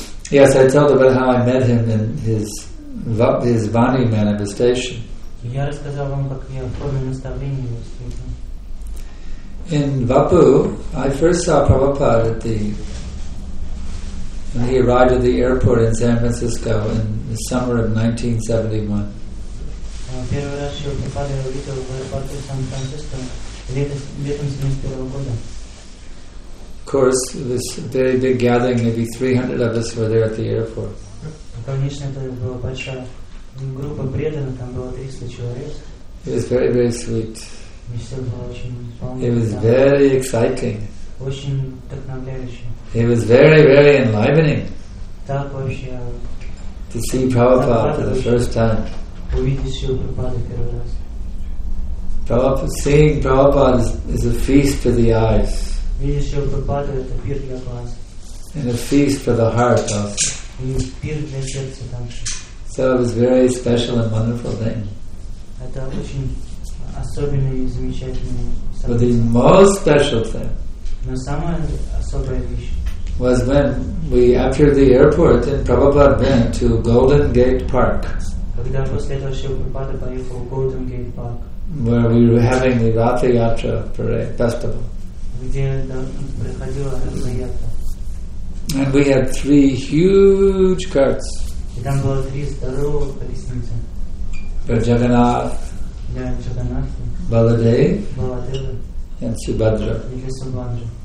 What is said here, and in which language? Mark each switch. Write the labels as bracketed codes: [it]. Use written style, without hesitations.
[en] Yes, I told about how I met him in his Vani manifestation. [ru] Я рассказал вам, как я в форме наставления его встретил. [en] In Vapu, I first saw Prabhupada at the when he arrived at the airport in San Francisco in the summer of 1971. Of course, this very big gathering, maybe 300 of us were there at the airport. [ru] конечно, это была большая группа преданных, там было 300 человек. [en] It was very, very sweet. [ru] И все было очень [en] полно. It was very exciting. [ru] Очень вдохновляюще. [en] It was very, very enlivening. [ru] Так вообще. [en] To see Prabhupada for the first time. [ru] Увидеть Шрилу Прабхупаду первый раз. [en] Seeing Prabhupada is a feast for the eyes. [ru] Видеть Шрилу Прабхупаду — это пир для глаз. [en] And a feast for the heart also. [ru] И пир для сердца также. [en] So it was very special and wonderful thing. [ru] Это очень особенное и замечательное. [en] But the most special thing. [ru] Но самое особое вещь. [en] Was when we after the airport and Prabhupada went to Golden Gate Park. [ru] Когда после этого Шрила Прабхупада поехал в Golden Gate Park. [en] Where we were having the Ratha Yatra parade festival. [ru] Где проходила Ратха Ятра. [en] And we had three huge carts. [ru] И там было три здоровых колесницы. [en] For Jagannath. [ru] Для Джаганнатхи. [en] Баладева. And Субхадра. [ru] И для Субхадры.